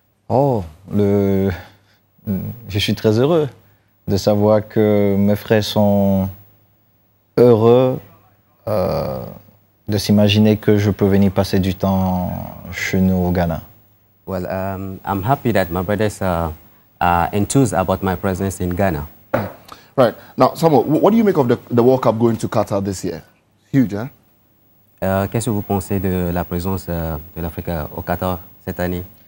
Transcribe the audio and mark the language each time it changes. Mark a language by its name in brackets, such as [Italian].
[French] Oh, je suis très heureux de savoir que mes frères sont heureux de s'imaginer que je peux venir passer du temps chez nous au Ghana. [English] Well, I'm happy that my brothers are enthused about my presence in Ghana. Right. Now, Samuel, what do you make of the World Cup going to Qatar this year? Huge, hein? [French] Qu'est-ce que vous pensez de la présence de l'Afrique au Qatar cette année?